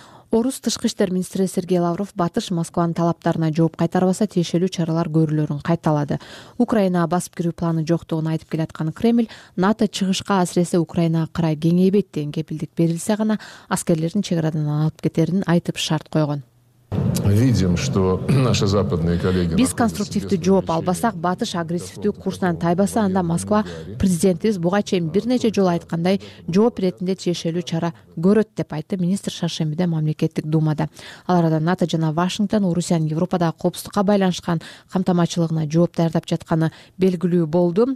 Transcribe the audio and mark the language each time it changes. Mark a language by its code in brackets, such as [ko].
[ky] Орус тышкы иштер министри Сергей Лавров Батыш Москванын талаптарына жооп кайтарбаса тиешелүү чаралар көрүлөрүн кайталады. Украинага басып кирүү планы жоктугун айтып келаткан Кремль, НАТО чыгышка асиресе Украинага карай кеңейбейт деген кепилдик берилсе гана аскерлердин чек арадан алып кетерин айтып шарт койгон. [ru] Видим, что наши западные коллеги. [ky] Биз конструктивдүү жооп албасак, батыш агрессивдүү курсунан тайбаса, анда Москва президентибиз буга чейин бир нече жолу айткандай жооп иретинде тиешелүү чара көрөт деп айтты министр шаршембиде мамлекеттик думада. Ал арада НАТО жана Вашингтон Орусиянын Европадагы коопсуздукка байланышкан камтамачылыгына жооп даярдап жатканы белгилүү болду.